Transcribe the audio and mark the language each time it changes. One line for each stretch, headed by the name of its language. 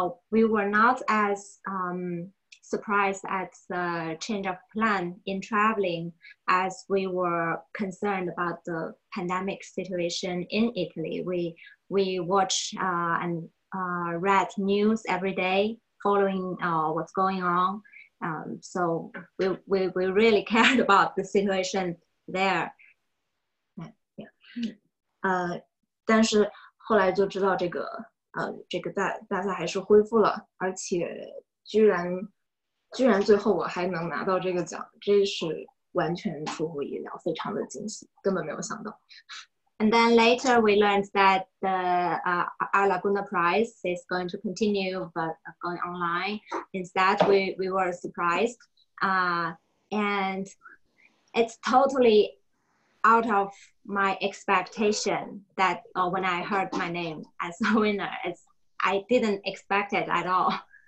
English: We were not as surprised at the change of plan in traveling, as we were concerned about the pandemic situation in Italy. We watch and read news every day following what's going on, So we really cared about the situation there. Yeah.
Chinese: 但是后来就知道这个这个大赛还是恢复了，而且居然最后我还能拿到这个奖，这是完全出乎意料，非常的惊喜，根本没有想到。
English: And then later we learned that the Our Laguna Prize is going to continue, but going online. Instead, we were surprised. And it's totally out of my expectation that when I heard my name as a winner, I didn't expect it at all.